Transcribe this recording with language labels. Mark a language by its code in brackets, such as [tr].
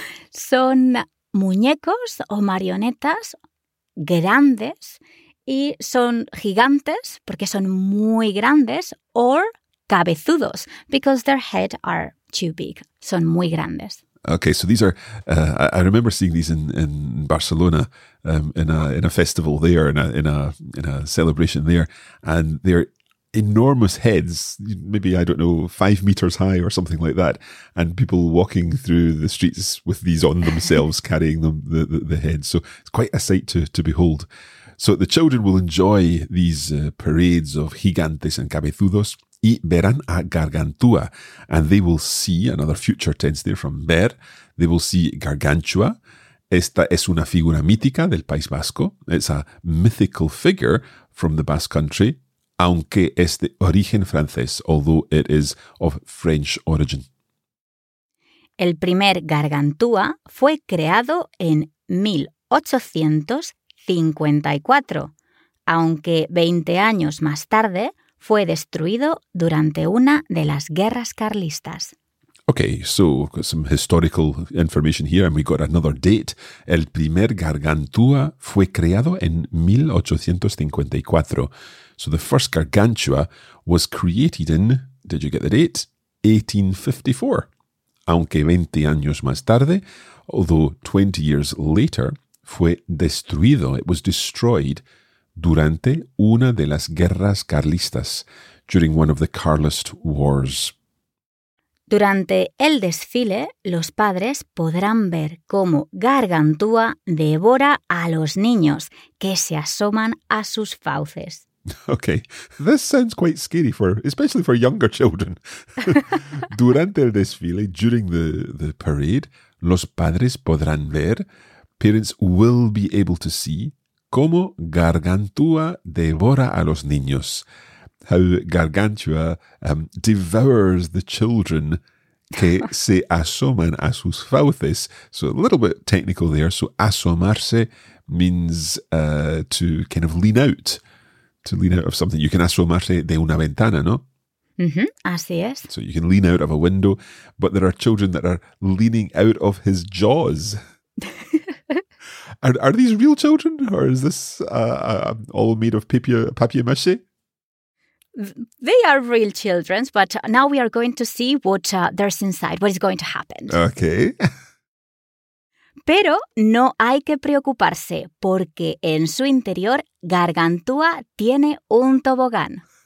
[es] Son muñecos o marionetas grandes y son gigantes porque son muy grandes, or cabezudos [en] because their heads are too big. [es] Son muy grandes. [en] Okay, so these are, I remember seeing these in Barcelona, in a festival there, in a celebration there, and they're enormous heads, maybe, I don't know, 5 meters high or something like that, and people walking through the streets with these on themselves, carrying them, the heads. So it's quite a sight to behold. So the children will enjoy these parades of gigantes and cabezudos, [es] y verán a Gargantúa, [en] and they will see, another future tense there from ver, they will see Gargantúa. [es] Esta es una figura mítica del País Vasco. [en] It's a mythical figure from the Basque Country, [es] aunque es de origen francés, [en] although it is of French origin. [es] El primer Gargantúa fue creado en 1854, aunque 20 años más tarde fue destruido durante una de las guerras carlistas. [en] Okay, so we've got some historical information here, and we got another date. [es] El primer Gargantúa fue creado en 1854. [en] So the first Gargantúa was created in, did you get the date? 1854. [es] Aunque 20 años más tarde, [en] although 20 years later, [es] fue destruido, [en] it was destroyed, [es] durante una de las guerras carlistas, [en] during one of the Carlist wars. [es] Durante el desfile, los padres podrán ver cómo Gargantúa devora a los niños que se asoman a sus fauces. [en] Okay, this sounds quite scary, especially for younger children. [es] Durante el desfile, [en] during the parade, [es] los padres podrán ver, [en] parents will be able to see, [es] cómo Gargantúa devora a los niños. [en] How Gargantúa devours the children [es] que se asoman a sus fauces. [en] So a little bit technical there. So asomarse means to kind of lean out, to lean out of something. You can [es] asomarse de una ventana, ¿no? Mm-hmm. Así es. [en] So you can lean out of a window, but there are children that are leaning out of his jaws. Are these real children, or is this all made of papier-mâché? They are real children, but now we are going to see what there's inside, what is going to happen. Okay. [es] Pero no hay que preocuparse, porque en su interior Gargantúa tiene un tobogán.